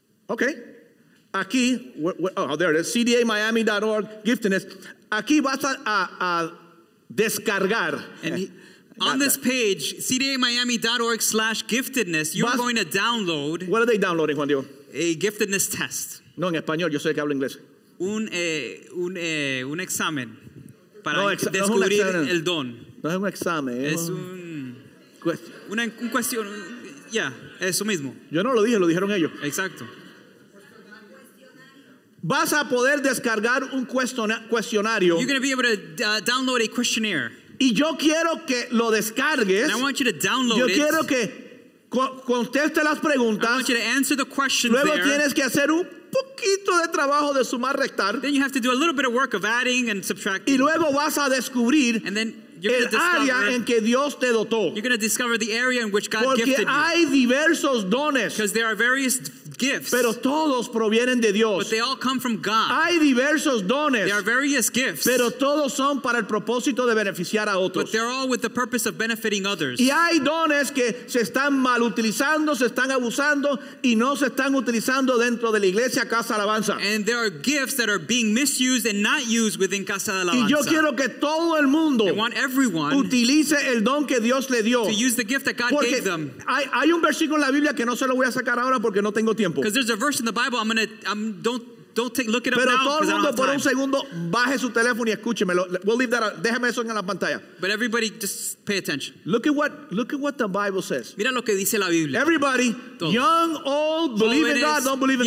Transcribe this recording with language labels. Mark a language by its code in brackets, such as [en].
[en] Okay. Aquí, there it is, cdamiami.org, giftedness. [es] Aquí vas a descargar. [en] And on this page, cdamiami.org/giftedness, you're going to download. What are they downloading, Juan Diego? A giftedness test. [es] No, en español, yo sé que hablo inglés. Un examen para descubrir el don. No es un examen. Es un... Una cuestión, ya, eso mismo. Yo no lo dije, lo dijeron ellos. Exacto. Vas a poder descargar un cuestionario. [en] You're going to be able to download a questionnaire. [es] Y yo quiero que lo descargues. [en] And I want you to download [es] yo [en] it. [es] Quiero que conteste las preguntas. [en] I want you to answer the questions. [es] Luego [en] there. [es] Tienes que hacer un poquito de trabajo de sumar, restar. [en] Then you have to do a little bit of work of adding and subtracting. [es] Y luego vas a descubrir [en] and then you're [es] el área en que Dios te dotó. [en] You're going to discover the area in which God [es] porque [en] gifted you. [es] Porque hay diversos dones. [en] Because there are various gifts. [es] Pero todos provienen de Dios. [en] But they all come from God. [es] Hay diversos dones. [en] There are various gifts. [es] Pero todos son para el propósito de beneficiar a otros. [en] But they're all with the purpose of benefiting others. [es] Y hay dones que se están mal utilizando, se están abusando y no se están utilizando dentro de la iglesia Casa Alabanza. [en] And there are gifts that are being misused and not used within Casa Alabanza. [es] Y yo quiero que todo el mundo [en] they want everyone [es] utilice el don que Dios le dio. [en] To use the gift that God [es] porque [en] gave them. [es] Hay un versículo en la Biblia que no se lo voy a sacar ahora porque no tengo tiempo. [en] Because there's a verse in the Bible I'm gonna look it up. [es] Pero [en] now [es] todo el mundo por [en] time. [es] Un segundo baje su teléfono y escúcheme. [en] We'll leave that out. [es] Déjame eso en la pantalla. [en] But everybody just pay attention. Look at what the Bible says. [es] Mira lo que dice la Biblia. [en] Everybody, [es] todos. [en] Young, old, believe [es] jóvenes, [en] in God, don't believe in